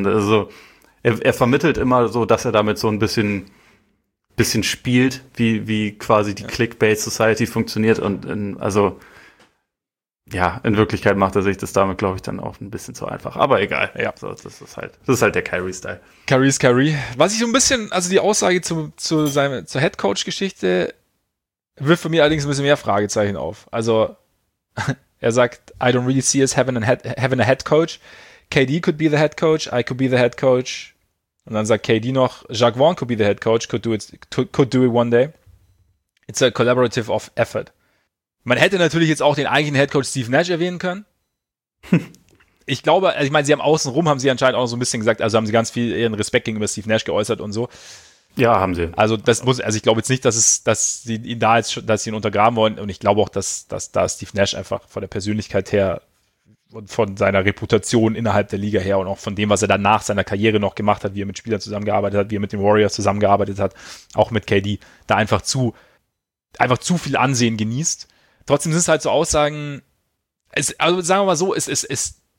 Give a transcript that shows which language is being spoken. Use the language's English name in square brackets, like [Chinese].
[German] Und also, er vermittelt immer so, dass er damit so ein bisschen spielt, wie quasi die Clickbait-Society funktioniert und in Wirklichkeit macht er sich das damit, glaube ich, dann auch ein bisschen zu einfach, aber egal. Ja. So, das ist halt der Kyrie-Style. Kyrie ist Kyrie. Was ich so ein bisschen, also die Aussage zur Head-Coach-Geschichte wirft für mich allerdings ein bisschen mehr Fragezeichen auf. Also er sagt, [English] I don't really see us having a head coach. KD could be the head coach, I could be the head coach. [German] Und dann sagt KD noch, [English] Jacques Vaughn could be the head coach, could do it one day. It's a collaborative of effort. [German] Man hätte natürlich jetzt auch den eigentlichen Head Coach Steve Nash erwähnen können. Ich glaube, ich meine, sie haben außenrum, haben sie anscheinend auch so ein bisschen gesagt, also haben sie ganz viel ihren Respekt gegenüber Steve Nash geäußert und so. Ja, haben sie. Also das muss, also ich glaube jetzt nicht, dass sie ihn untergraben wollen. Und ich glaube auch, dass da Steve Nash einfach von der Persönlichkeit her und von seiner Reputation innerhalb der Liga her und auch von dem, was er danach seiner Karriere noch gemacht hat, wie er mit Spielern zusammengearbeitet hat, wie er mit den Warriors zusammengearbeitet hat, auch mit KD, da einfach zu viel Ansehen genießt. Trotzdem sind es halt so Aussagen, also sagen wir mal so, es